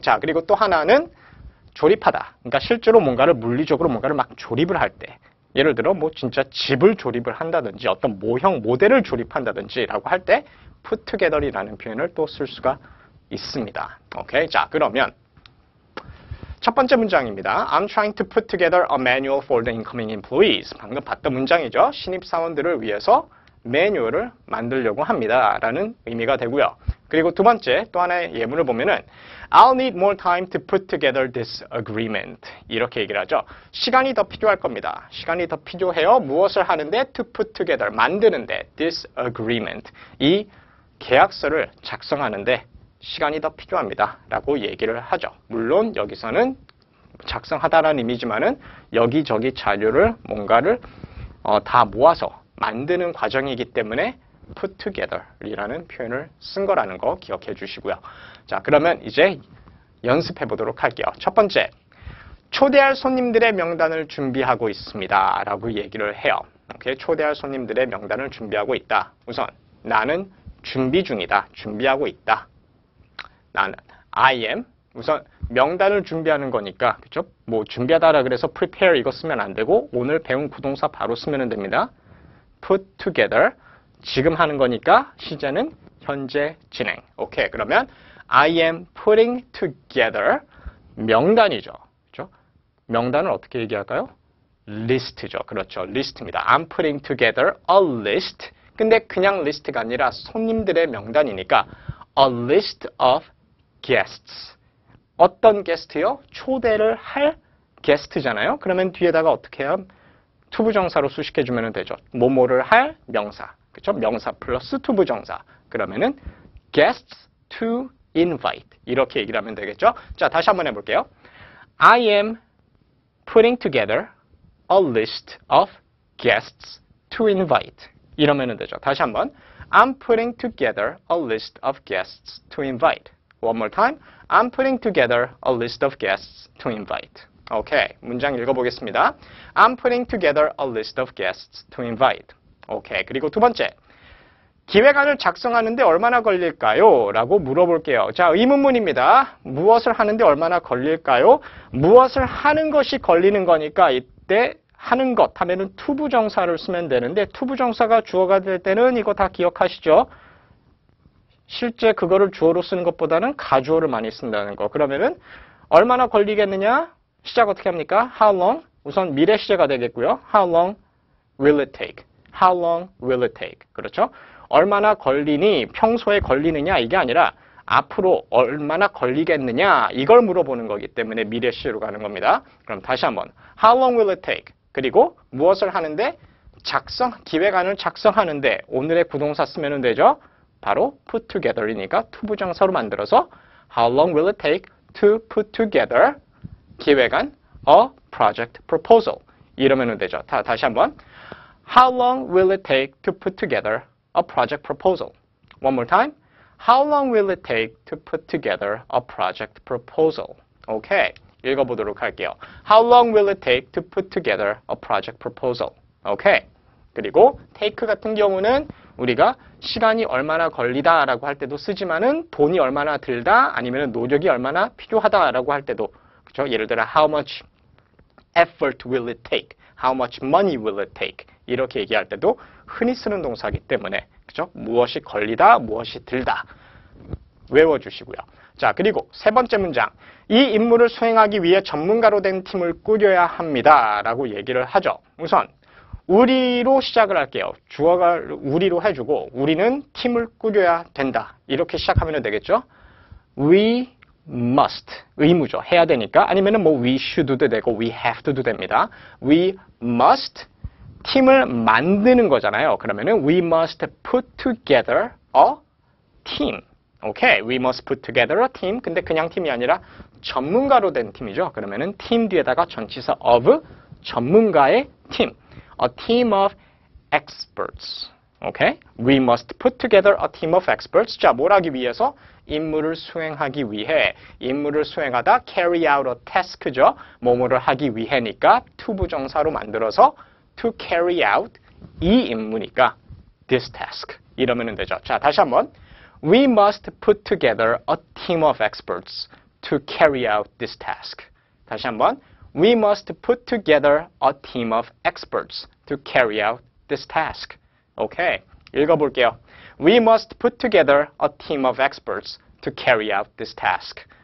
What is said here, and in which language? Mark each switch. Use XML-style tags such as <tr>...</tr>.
<ko>자, 그리고 또 하나는 조립하다. 그러니까 실제로 뭔가를 물리적으로 뭔가를 막 조립을 할 때. 예를 들어 뭐 진짜 집을 조립을 한다든지 어떤 모형 모델을 조립한다든지라고 할때 put together이라는 표현을 또쓸 수가 있습니다. 오케이. 자, 그러면 첫 번째 문장입니다.</ko> <en>I'm trying to put together a manual for the incoming employees.</en> <ko>방금 봤던 문장이죠. 신입사원들을 위해서 매뉴얼을 만들려고 합니다라는 의미가 되고요. 그리고 두 번째, 또 하나의 예문을 보면은</ko> <en>I'll need more time to put together this agreement.</en> <ko>이렇게 얘기를 하죠. 시간이 더 필요할 겁니다. 시간이 더 필요해요. 무엇을 하는데?</ko> <en>To put together.</en> <ko>만드는데.</ko> <en>This agreement.</en> <ko>이 계약서를 작성하는데 시간이 더 필요합니다라고 얘기를 하죠. 물론 여기서는 작성하다라는 의미지만은 여기저기 자료를 뭔가를 다 모아서 만드는 과정이기 때문에 put together이라는 표현을 쓴 거라는 거 기억해 주시고요. 자, 그러면 이제 연습해 보도록 할게요. 첫 번째, 초대할 손님들의 명단을 준비하고 있습니다라고 얘기를 해요. 오케이, 초대할 손님들의 명단을 준비하고 있다. 우선 나는 준비 중이다. 준비하고 있다. 나는 I am. 우선 명단을 준비하는 거니까, 그렇죠? 뭐 준비하다라 그래서 prepare 이거 쓰면 안 되고 오늘 배운 구동사 바로 쓰면 됩니다.</ko> <en>Put together.</en> <ko>지금 하는 거니까 시제는 현재 진행. 오케이.</ko> <en>그러면 I am putting together</en> <ko>명단이죠. 그렇죠? 명단을 어떻게 얘기할까요? List죠. 그렇죠. List입니다.</ko> <en>I'm putting together a list.</en> <ko>근데 그냥 list가 아니라 손님들의 명단이니까</ko> <en>a list of guests.</en> <ko>어떤 게스트요? 초대를 할 게스트잖아요. 그러면 뒤에다가 어떻게 해요? to 부정사로 수식해 주면 되죠. 뭐뭐를 할 명사. 그렇죠? 명사 플러스 to 부정사. 그러면은</ko> <en>guests to invite.</en> <ko>이렇게 얘기를 하면 되겠죠? 자, 다시 한번 해 볼게요.</ko> <en>I am putting together a list of guests to invite.</en> <ko>이러면 되죠. 다시 한번.</ko> <en>I'm putting together a list of guests to invite. One more time. I'm putting together a list of guests to invite.</en> <ko>오케이. 문장 읽어보겠습니다.</ko> <en>I'm putting together a list of guests to invite.</en> <ko>오케이. 그리고 두 번째. 기획안을 작성하는데 얼마나 걸릴까요? 라고 물어볼게요. 자, 의문문입니다. 무엇을 하는데 얼마나 걸릴까요? 무엇을 하는 것이 걸리는 거니까 이때 하는 것 하면은 to 부정사를 쓰면 되는데 to 부정사가 주어가 될 때는 이거 다 기억하시죠? 실제 그거를 주어로 쓰는 것보다는 가주어를 많이 쓴다는 거. 그러면은 얼마나 걸리겠느냐? 시작 어떻게 합니까?</ko> <en>How long?</en> <ko>우선 미래 시제가 되겠고요.</ko> <en>How long will it take? How long will it take? 그렇죠?</en> <ko>얼마나 걸리니? 평소에 걸리느냐? 이게 아니라 앞으로 얼마나 걸리겠느냐? 이걸 물어보는 거기 때문에 미래 시제로 가는 겁니다. 그럼 다시 한번.</ko> <en>How long will it take?</en> <ko>그리고 무엇을 하는데? 기획안을 작성하는데 오늘의 부동사 쓰면 되죠? 바로</ko> <en>put together</en> <ko>이니까</ko> <en>to</en> <ko>부정사로 만들어서</ko> <en>How long will it take to put together 기획안 a project proposal</en> <ko>이러면 되죠. 다시 한번</ko> <en>How long will it take to put together a project proposal? One more time. How long will it take to put together a project proposal?</en> <ko>Okay. 읽어보도록 할게요.</ko> <en>How long will it take to put together a project proposal? Okay.</en> <ko>그리고 take 같은 경우는 우리가 시간이 얼마나 걸리다라고 할 때도 쓰지만은 돈이 얼마나 들다 아니면 노력이 얼마나 필요하다라고 할 때도 그렇죠? 예를 들어</ko> <en>how much effort will it take? How much money will it take?</en> <ko>이렇게 얘기할 때도 흔히 쓰는 동사이기 때문에 그렇죠? 무엇이 걸리다, 무엇이 들다 외워주시고요. 자, 그리고 세 번째 문장 이 임무를 수행하기 위해 전문가로 된 팀을 꾸려야 합니다 라고 얘기를 하죠. 우선 우리로 시작을 할게요. 주어가 우리로 해주고 우리는 팀을 꾸려야 된다. 이렇게 시작하면 되겠죠?</ko> <en>We must.</en> <ko>의무죠. 해야 되니까. 아니면 뭐 we should도 되고 we have to도 됩니다.</ko> <en>We must.</en> <ko>팀을 만드는 거잖아요.</ko> <en>그러면 we must put together a team. Okay. We must put together a team.</en> <ko>근데 그냥 팀이 아니라 전문가로 된 팀이죠. 그러면 팀 뒤에다가 전치사 of 전문가의 팀.</ko> <en>A team of experts. Okay? We must put together a team of experts.</en> <ko>자, 뭘 하기 위해서? 임무를 수행하기 위해. 임무를 수행하다, carry out a task죠. 뭐뭐를 하기 위해니까, to 부정사로 만들어서,</ko> <en>to carry out</en> <ko>이 임무니까,</ko> <en>this task.</en> <ko>이러면 되죠. 자, 다시 한번.</ko> <en>We must put together a team of experts to carry out this task.</en> <ko>다시 한번.</ko> <en>We must put together a team of experts to carry out this task.</en> <ko>Okay, 읽어볼게요.</ko> <en>We must put together a team of experts to carry out this task.</en>